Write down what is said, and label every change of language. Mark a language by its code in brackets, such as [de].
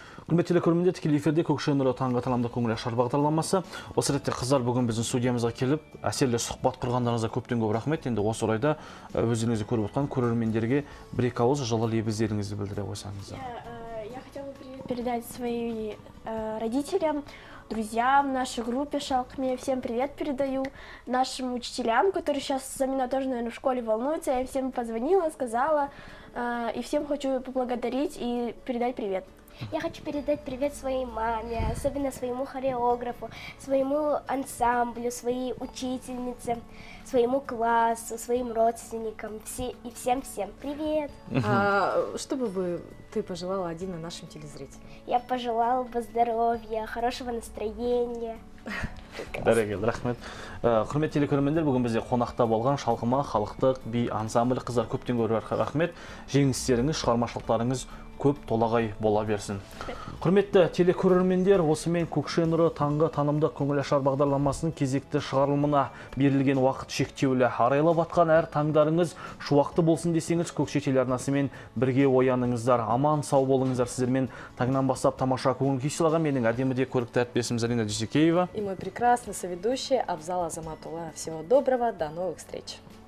[kk] Құрметті көрерменде тікелей эфирде Көкше нұры таңғы таламда көңіл ашар бағдарламасы. Осы ретте қыздар бүгін біздің студиямызға келіп, әсерлі сұхбат құрғандарыңызға көптен көп рахмет. Енді осы орайда өздеріңізді көріп отқан көрермендерге бір екі ауыз жылы лебіздеріңізді білдіре қойсаңыз. [ru] Я хотела бы передать своим родителям, друзьям, нашей группе Шалкме всем привет передаю, нашим учителям, которые сейчас за меня тоже, наверное, в школе волнуются. Я всем позвонила, сказала, и всем хочу поблагодарить и передать привет. Я хочу передать привет своей маме, особенно своему хореографу, своему ансамблю, своей учительнице, своему классу, своим родственникам, все и всем-всем. Привет! А что бы ты пожелала Адине нашим телезрителям? Я пожелала бы здоровья, хорошего настроения. [kk] Бәрекелді, рахмет. Құрмет телекөрмендер, бүгін бізде қонақта болған шалқыма, халықтық, би, ансамбль, қыздар көптен көріп арқа, рахмет. Женістеріңіз, шығармашылықтарыңыз көп толағай бола берсін. Құрметті телекөрермендер, осымен Көкше нұры таңғы танымды көңілашар бағдарламасының кезекті шығарылымына берілген уақыт шектеулі. Арайлап атқан әр таңдарыңыз шуақты болсын десеңіз, Көкше телеарнасымен бірге ояныңыздар. Аман сау болыңыздар. Сіздермен таңнан бастап тамаша көңіл күй сыйлаған менің әдемі де көрікті әріптесім Зарина Дюсекеева. [ru] И мой прекрасный соведущий Абзал [kk] Азаматұлы. [ru] Всего доброго, до новых встреч.